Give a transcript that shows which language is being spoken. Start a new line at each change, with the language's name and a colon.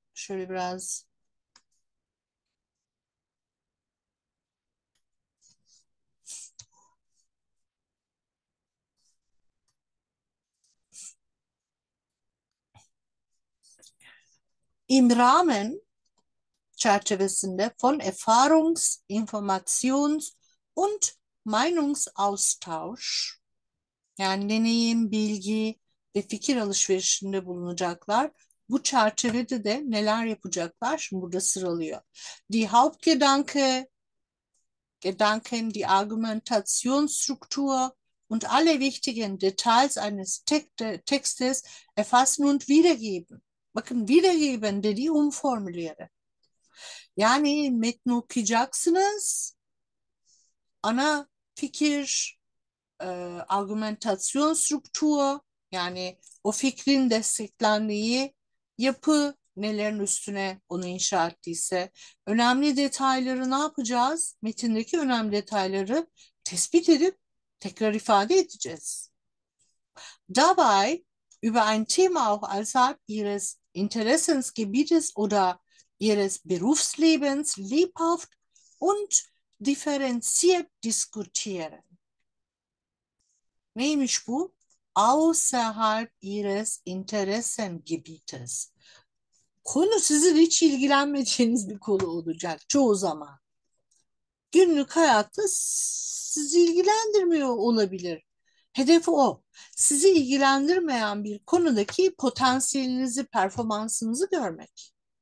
Turkish: Şöyle biraz
German: im Rahmen
Turkish: çerçevesinde
German: von Erfahrungs-, Informations- und Meinungsaustausch
Turkish: yani deneyim, bilgi ve fikir alışverişinde bulunacaklar. Bu çerçevede de neler yapacaklar? Şimdi burada sıralıyor.
German: Die Hauptgedanke, Gedanken, die Argumentationsstruktur und alle wichtigen Details eines Textes erfassen und wiedergeben.
Turkish: Bakın wiedergeben dediği umformuliere. Yani metni okuyacaksınız. Ana fikir, argumentasyon struktur, yani o fikrin desteklendiği yapı nelerin üstüne onu inşa ettiyse. Önemli detayları ne yapacağız? Metindeki önemli detayları tespit edip tekrar ifade edeceğiz.
German: Dabei über ein Thema auch außerhalb ihres Interessensgebietes oder ihres Berufslebens lebhaft und differenziert diskutieren.
Turkish: Neymiş bu?
German: Außerhalb ihres Interessengebietes.
Turkish: Konu sizin hiç ilgilenmediğiniz bir konu olacak çoğu zaman. Günlük hayatta sizi ilgilendirmiyor olabilir. Hedefi o. Sizi ilgilendirmeyen bir konudaki potansiyelinizi, performansınızı görmek.